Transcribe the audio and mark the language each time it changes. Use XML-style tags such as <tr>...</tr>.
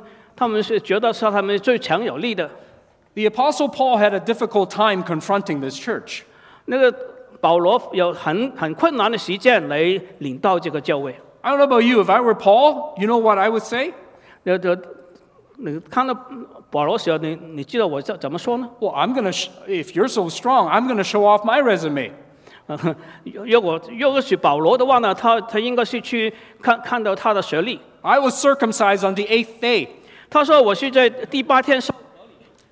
<zh>有一些门徒的他们是觉得是他们最强有力的。</zh> <en>The apostle Paul had a difficult time confronting this church.</en> <zh>那个保罗有很困难的时间来领导这个教会。</zh> <en>I don't know about you, if I were Paul, you know what I would say?</en> <zh>你看到保罗说，你知道我怎么说呢？</zh> <en>Well, I'm gonna if you're so strong, I'm gonna show off my resume.</en> <zh>如果是保罗的话呢，他应该是去看到他的学历。</zh> <en>I was circumcised on the eighth day.</en> <zh>他说我是在第八天受割礼。</zh>